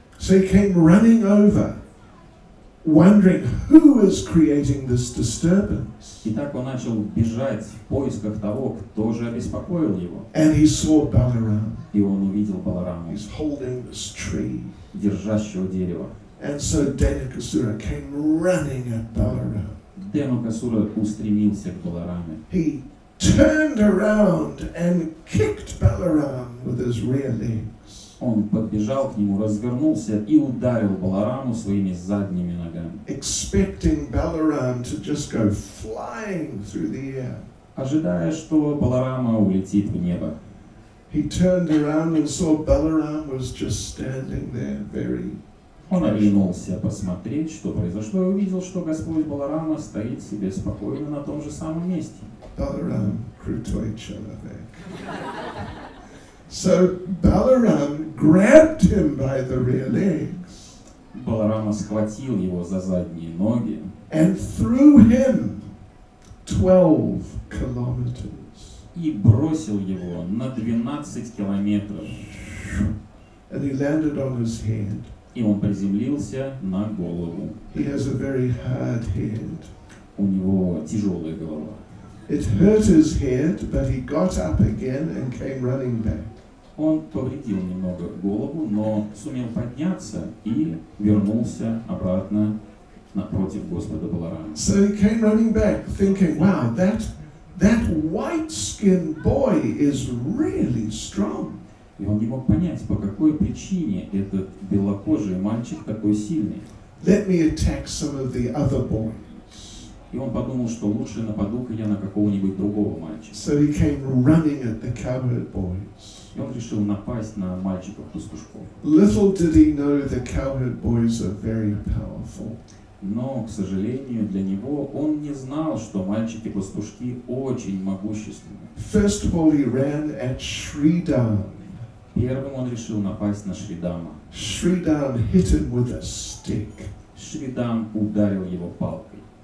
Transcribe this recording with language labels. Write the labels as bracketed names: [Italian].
[English] So he came running over, wondering who is creating this disturbance. [Russian] И так он начал бежать в поисках того, кто же обеспокоил его. [English] And he saw Balarama. [Russian] И он увидел Балараму. [English] He's holding this tree. [Russian] Держащего дерево. [English] And so Deinakasura came running at Balarama. [Russian] Деинокасура устремился к Балараме. [English] He turned around and kicked Balaram with his rear legs. [Russian] Он подбежал к нему, развернулся и ударил Балараму своими задними ногами. [English] Expecting Balaram to just go flying through the air. [Russian] Ожидая, что Баларама улетит в небо. [English] He turned around and saw Balaram was just standing there very. [Russian] Он оглянулся посмотреть, что произошло, и увидел, что Господь Баларама стоит себе спокойно на том же самом месте. Баларам, крутой человек. [English] So Balaram grabbed him by the rear legs. [Russian] Баларама схватил его за задние ноги. [English] And threw him 12 kilometers. [Russian] И бросил его на 12 километров. [English] And he landed on his head. [Russian] И он приземлился на голову. [English] He has a very hard head. [Russian] У него тяжелая голова. [English] It hurt his head, but he got up again and came running back. [Russian] Он повредил немного голову, но сумел подняться и вернулся обратно напротив Господа Баларамы. [English] So he came running back, thinking, wow, that white-skinned boy is really strong. [Russian] И он не мог понять, по какой причине этот белокожий мальчик такой сильный. [English] Let me attack some of the other boys. [Russian] И он подумал, что лучше нападу-ка я на какого-нибудь другого мальчика. [English] So he came running at the cowherd boys. [Russian] И он решил напасть на мальчиков-пастушков. [English] Little did he know the cowherd boys are very powerful. [Russian] Но, к сожалению, для него он не знал, что мальчики-пастушки очень могущественны. [English] First of all, he ran at Shridam. [Russian] Первым он решил напасть на Шридама. [English] Шридам hit him with a stick. [Russian] Шридам ударил его палкой.